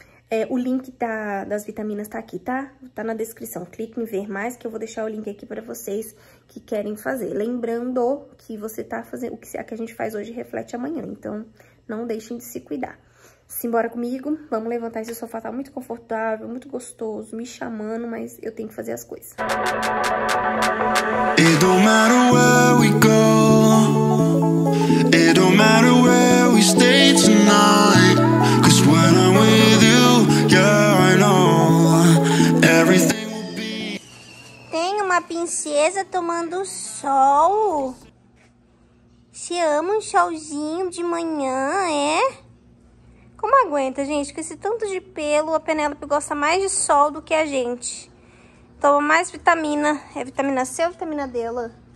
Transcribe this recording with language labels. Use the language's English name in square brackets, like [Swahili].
[Portuguese] É, o link das vitaminas tá aqui, tá? Tá na descrição, clique em ver mais que eu vou deixar o link aqui pra vocês que querem fazer. Lembrando que você tá fazendo, o que a gente faz hoje reflete amanhã, então não deixem de se cuidar. Simbora comigo, vamos levantar esse sofá, tá muito confortável, muito gostoso, me chamando, mas eu tenho que fazer as coisas. [English] It don't matter where we go. It don't matter where we stay tonight. Cause when I'm with you, yeah, I know everything will be. [Portuguese] Tem uma princesa tomando sol. Se ama um solzinho de manhã, é? Como aguenta, gente? Com esse tanto de pelo, a Penélope gosta mais de sol do que a gente. Toma mais vitamina. É vitamina C ou vitamina dela?